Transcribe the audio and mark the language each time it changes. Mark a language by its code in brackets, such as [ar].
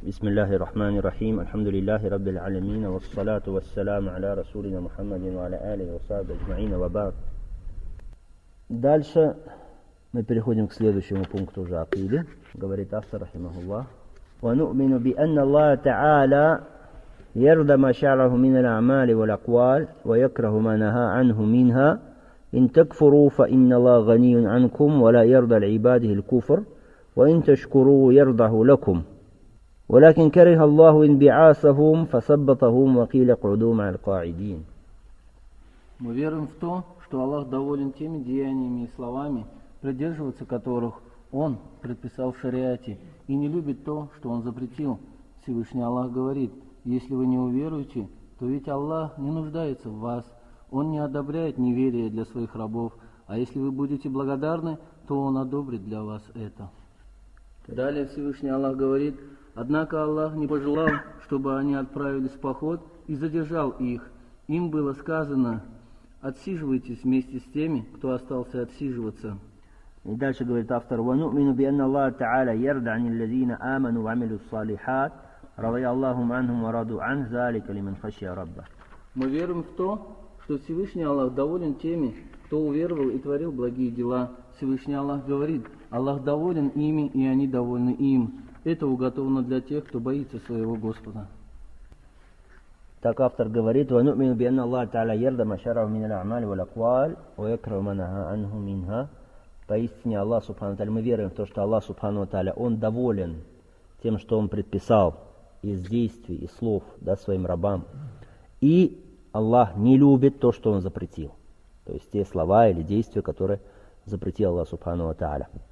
[ar] بسم الله الرحمن الرحيم الحمد لله رب العالمين والصلاة والسلام على رسولنا محمد وعلى آله وصحبه أجمعين وبعد. [ru] Дальше мы переходим к следующему пункту уже акиды. Говорит автор رحمه الله. [ar] ونؤمن بأن الله تعالى يرضى ما شرعه من الأعمال والأقوال ويكره ما نهى عنه منها. إن تكفروا فإن الله غني عنكم ولا يرضى لعباده الكفر وإن تشكروا يرضه لكم. ولكن كره الله انبعاثهم فثبطهم وقيل اقعدوا مع القاعدين. [ru] Мы верим в то, что Аллах доволен теми деяниями и словами, придерживаться которых Он предписал в шариате, и не любит то, что Он запретил. Всевышний Аллах говорит: если вы не уверуете, то ведь Аллах не нуждается в вас. Он не одобряет неверие для своих рабов, а если вы будете благодарны, то Он одобрит для вас это. Далее Всевышний Аллах говорит: однако Аллах не пожелал, чтобы они отправились в поход, и задержал их. Им было сказано: отсиживайтесь вместе с теми, кто остался отсиживаться. И дальше говорит автор: [ar] وَنُؤْمِنُ بِأَنَّ اللَّهَ تَعَالَى يَرْضَى عَنِ الَّذِينَ آمَنُوا وَعَمِلُوا الصَّالِحَاتِ رَضِيَ اللَّهُ عَنْهُمْ وَرَضُوا عَنْهُ ذَلِكَ لِمَنْ خَشِيَ رَبَّهُ. [ru] Мы верим в то, что Всевышний Аллах доволен теми, кто уверовал и творил благие дела. Всевышний Аллах говорит: Аллах доволен ими, и они довольны им. Это уготовано для тех, кто боится своего Господа. Так автор говорит: [ar] وَنُؤْمِنُ بِأَنَّ اللَّهَ تَعَالَى يَرْضَى مَا شَرَعَهُ مِنَ الْأَعْمَالِ وَالْأَقْوَالِ وَيَكْرَهُ مَا نَهَى عَنْهُ مِنْهَا. [ru] Поистине Аллах Субхану Тааля, мы верим в то, что Аллах Субхану Тааля, Он доволен тем, что Он предписал из действий и слов, да, своим рабам. И Аллах не любит то, что Он запретил. То есть те слова или действия, которые запретил Аллах Субхану Тааля.